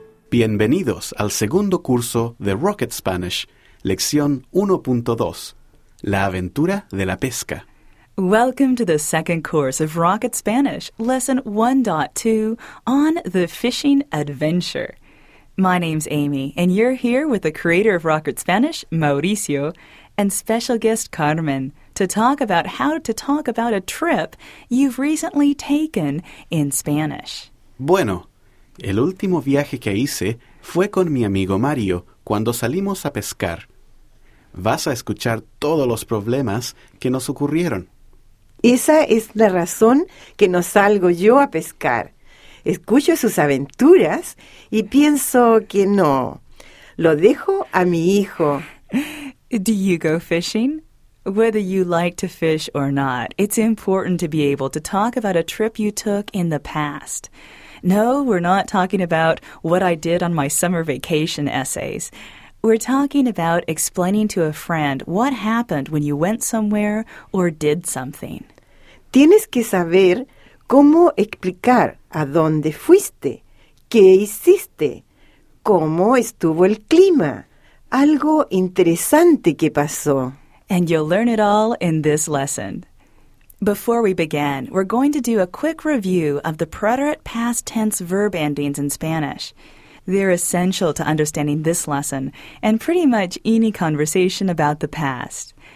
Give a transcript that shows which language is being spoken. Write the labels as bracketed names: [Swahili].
[Spanish] Bienvenidos al segundo curso de Rocket Spanish, lección 1.2, la aventura de la pesca. [English] Welcome to the second course of Rocket Spanish, lesson 1.2, on the fishing adventure. My name's Amy, and you're here with the creator of Rocket Spanish, Mauricio, and special guest Carmen, to talk about how to talk about a trip you've recently taken in Spanish. [Spanish] Bueno, el último viaje que hice fue con mi amigo Mario cuando salimos a pescar. Vas a escuchar todos los problemas que nos ocurrieron. Esa es la razón que no salgo yo a pescar. Escucho sus aventuras y pienso que no. Lo dejo a mi hijo. [English] Do you go fishing? Whether you like to fish or not, it's important to be able to talk about a trip you took in the past. No, we're not talking about what I did on my summer vacation essays. We're talking about explaining to a friend what happened when you went somewhere or did something. [Spanish] Tienes que saber cómo explicar a dónde fuiste, qué hiciste, cómo estuvo el clima, algo interesante que pasó. [English] And you'll learn it all in this lesson. Before we begin, we're going to do a quick review of the preterite past tense verb endings in Spanish. They're essential to understanding this lesson and pretty much any conversation about the past.